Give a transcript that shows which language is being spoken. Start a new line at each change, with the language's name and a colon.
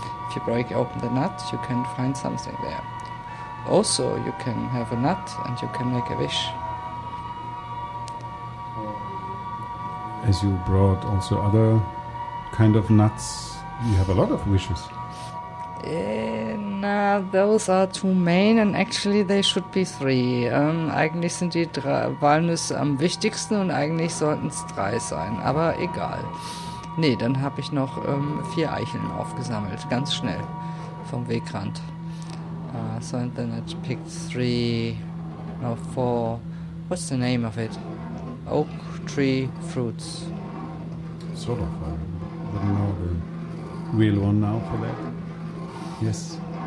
English: If you break open the nut, you can find something there. Also, you can have a nut and you can make a wish. As you brought also other kind of nuts, you have a lot of wishes. Nah, those are two main, and actually they should be three.
German: Eigentlich sind die drei Walnüsse am wichtigsten und eigentlich sollten es drei sein, aber egal. Nee, dann habe ich noch vier Eicheln aufgesammelt, ganz schnell, vom Wegrand.
English: So then I picked three, no, four, what's the name of it? Oak. Tree fruits. Sort of. I don't know the real one now for that. Yes.